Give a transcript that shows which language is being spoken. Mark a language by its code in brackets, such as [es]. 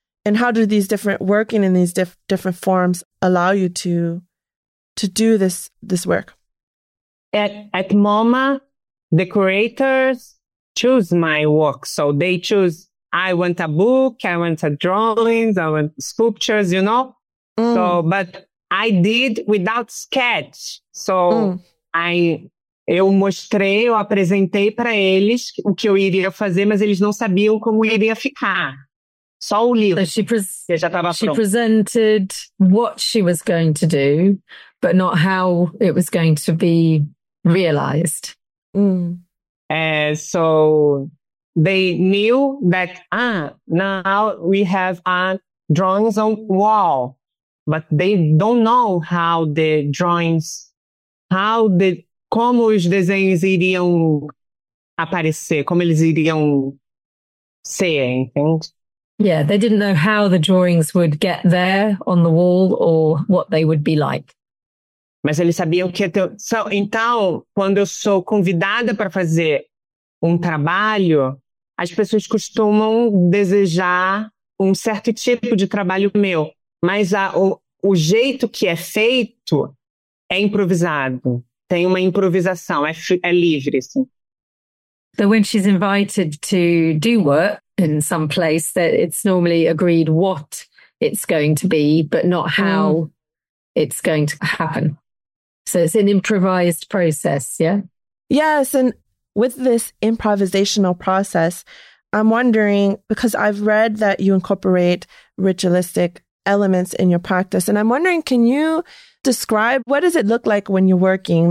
[en] And how do these different working in these different forms allow you to do this work? At MoMA, the curators choose my work. So they choose, I want a book, I want a drawing, I want sculptures, you know? Mm. So, but I did without sketch. [pt] So eu mostrei, eu apresentei para eles o que eu iria fazer, mas eles não sabiam como iria ficar. Só o livro. [en] So she presented what she was going to do, but not how it was going to be realized. Mm. So they knew that, now we have drawings on wall, but they don't know how the drawings, [pt] como os desenhos iriam aparecer, como eles iriam ser, entende? [en] Yeah, they didn't know how the drawings would get there on the wall or what they would be like. [pt] Mas eles sabiam que... Então, quando eu sou convidada para fazer trabalho, as pessoas costumam desejar certo tipo de trabalho meu. Mas o jeito que é feito é improvisado. Tem uma improvisação, é livre, assim. [en] So when she's invited to do work in some place, that it's normally agreed what it's going to be, but not how it's going to happen. So it's an improvised process, yeah? Yes, and with this improvisational process, I'm wondering, because I've read that you incorporate ritualistic elements in your practice, and I'm wondering, can you describe what does it look like when you're working?